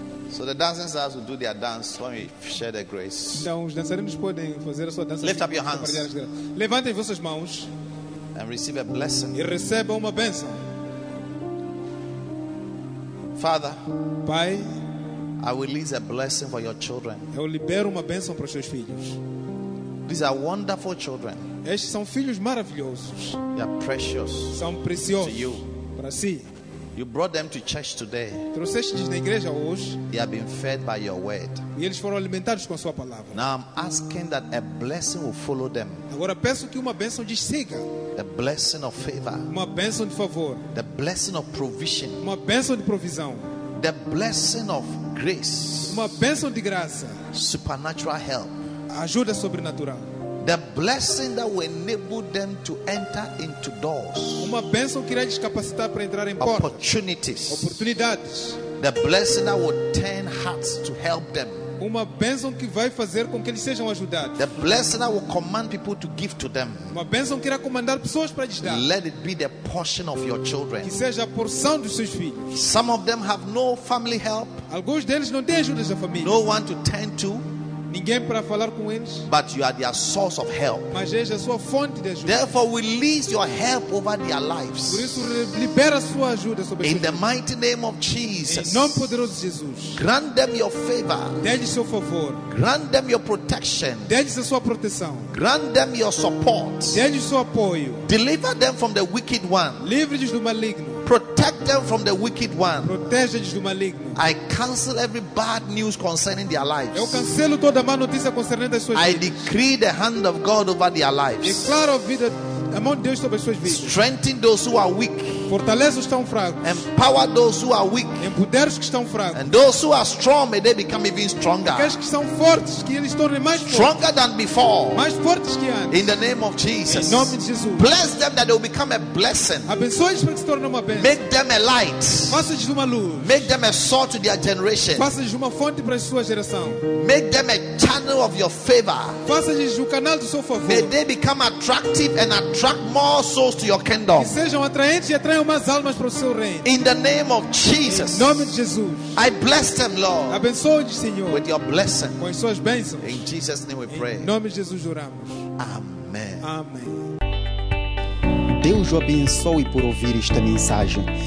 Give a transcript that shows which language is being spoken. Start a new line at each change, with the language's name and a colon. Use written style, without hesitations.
English: So the dancing stars will do their dance when we share the grace.
Portuguese: Então os dançarinos podem fazer a sua dança.
English: Lift up your hands.
Portuguese: Levantem vossas mãos.
English: And receive a blessing.
Portuguese: E recebam uma bênção.
English: Father,
Portuguese: Pai,
English: I release a blessing for your children.
Portuguese: Eu libero uma bênção para os seus filhos.
English: These are wonderful children.
Portuguese: Estes são filhos maravilhosos.
English: They are precious.
Portuguese: São preciosos.
English: To you.
Portuguese: Para si.
English: You brought them to church today.
Portuguese: Trouxeste-os na igreja hoje.
English: They have been fed by your word.
Portuguese: E eles foram alimentados com a sua palavra.
English: Now I'm asking that a blessing will follow them.
Portuguese: Agora peço que uma bênção lhes siga.
English: A blessing of favor.
Portuguese: Uma bênção de favor.
English: The blessing of provision.
Portuguese: Uma bênção de provisão.
English: The blessing of grace.
Portuguese: Uma bênção de graça.
English: Supernatural help.
Portuguese: Ajuda sobrenatural.
English: The blessing that will enable them to enter into doors.
Portuguese: Uma bênção que irá lhes capacitar para entrar em portas.
English: Opportunities.
Portuguese: Oportunidades.
English: The blessing that will turn hearts to help them.
Portuguese: uma bênção que vai fazer com que eles sejam ajudados.
English: The blessing I will command people to give to them.
Portuguese: Uma bênção que irá comandar pessoas para lhes dar.
English: Let it be the portion of your children.
Portuguese: Que seja a porção dos seus filhos.
English: Some of them have no family help.
Portuguese: Alguns deles não têm ajuda da família.
English: No one to turn to.
Portuguese: Ninguém para falar com eles.
English: But you are their source of help.
Portuguese: Mas és a sua fonte de ajuda.
English: Therefore, release your help over their lives.
Portuguese: Por isso, libera a sua ajuda sobre eles.
English: In the mighty name of Jesus.
Portuguese: Em nome poderoso de Jesus.
English: Grant them your favor.
Portuguese: Dê-lhes seu favor.
English: Grant them your protection.
Portuguese: Dê-lhes a sua proteção.
English: Grant them your support.
Portuguese: Dê-lhes seu apoio.
English: Deliver them from the wicked one.
Portuguese: Livre-lhes do maligno.
English: Protect them from the wicked one.
Portuguese: Protege-lhes do maligno.
English: I cancel every bad news concerning their lives.
Portuguese: Eu cancelo toda má notícia concernente as suas vidas.
English: I decree the hand of God over their lives.
Portuguese: Declaro vida a mão de Deus sobre as suas vidas.
English: Strengthen those who are weak.
Portuguese: Fortalece os que estão fracos.
English: Empower those who are weak.
Portuguese: Empodere os que estão fracos.
English: And those who are strong, may they become even stronger.
Portuguese: Aqueles que são fortes, que eles tornem mais fortes.
English: Stronger than before.
Portuguese: Mais fortes que antes.
English: In the name of Jesus.
Portuguese: Em nome de Jesus.
English: Bless them that they will become a blessing.
Portuguese: Abençoe-os para que se tornem uma bênção.
English: Make them a light.
Portuguese: Faça-lhes uma luz.
English: Make them a salt to their generation.
Portuguese: Faça-lhes uma fonte para a sua geração.
English: Make them a channel of your favor.
Portuguese: Faça-lhes um canal do seu favor.
English: May they become attractive and attract more souls to your kingdom.
Portuguese: Que sejam atraentes e atraiam mais almas para o seu reino.
English: In the name of Jesus.
Portuguese: Em nome de Jesus.
English: I bless them, Lord.
Portuguese: Abençoe-os, Senhor.
English: With your blessing.
Portuguese: Com as suas bênçãos.
English: In Jesus' name we pray.
Portuguese: Em nome de Jesus oramos. Amém. Amém. Deus o abençoe por ouvir esta mensagem.